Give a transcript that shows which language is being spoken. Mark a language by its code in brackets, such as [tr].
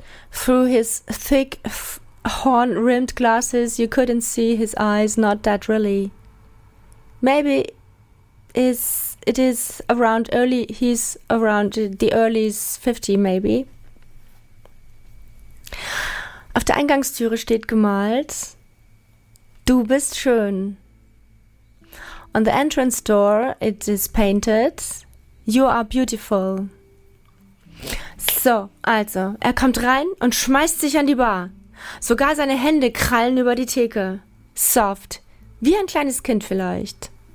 [en] Through his thick horn-rimmed glasses, you couldn't see his eyes, not that really. Maybe he's around the early 50s, maybe. [de] Auf der Eingangstüre steht gemalt, du bist schön. [en] On the entrance door, it is painted, you are beautiful. [de] So, also, er kommt rein und schmeißt sich an die Bar. Sogar seine Hände krallen über die Theke. Soft. Wie ein kleines Kind vielleicht.